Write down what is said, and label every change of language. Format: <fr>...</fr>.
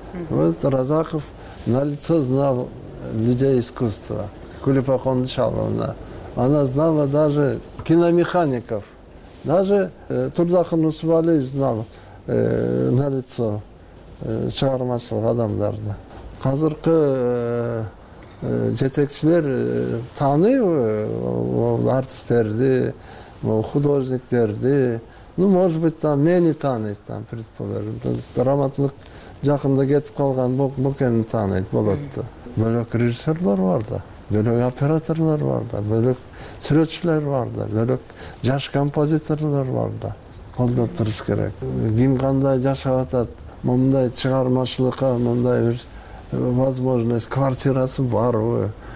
<ru>Вот Разаков на лицо знал людей искусства. Кулепакондо Шаловна, она знала даже киномехаников. Даже Турзахан Усубалиев знал на лицо</ru> <ky>чыгармачылык адамдарды. Азыркы жетекчилер тааныйбы артисттерди, художниктерди?</ky> <ru>Ну, может быть, там</ru> <ky>мени тааныйт,</ky> <ru>там предположим.</ru> <ky>Драматург жакында кетип калган Бокени тааныйт болот да. Бөлөк режиссерлор бар да, бөлөк операторлор бар да, бөлөк сүрөтчүлөр бар да, бөлөк жаш композиторлор бар да. Колдоп туруш керек. Ким кандай жашап атат, мындай чыгармачылыкка мындай бир возможность, квартирасы барбы?</ky>